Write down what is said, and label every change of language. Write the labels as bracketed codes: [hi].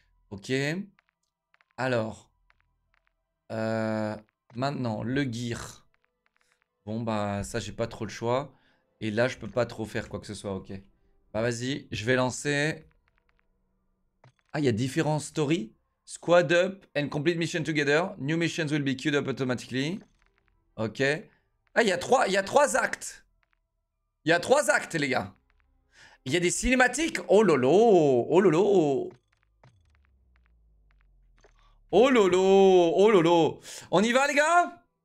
[fr] Ok. Alors. Maintenant, le gear. Bon, bah, ça, j'ai pas trop le choix. Et là, je peux pas trop faire quoi que ce soit. Ok. Bah, vas-y, je vais lancer. Ah, il y a différents stories. [en] Squad up and complete mission together. New missions will be queued up automatically. [fr] Ok. Ah, il y a trois actes. Il y a trois actes, les gars. Il y a des cinématiques. Oh lolo. Oh lolo. Oh lolo. Oh lolo. On y va, les gars?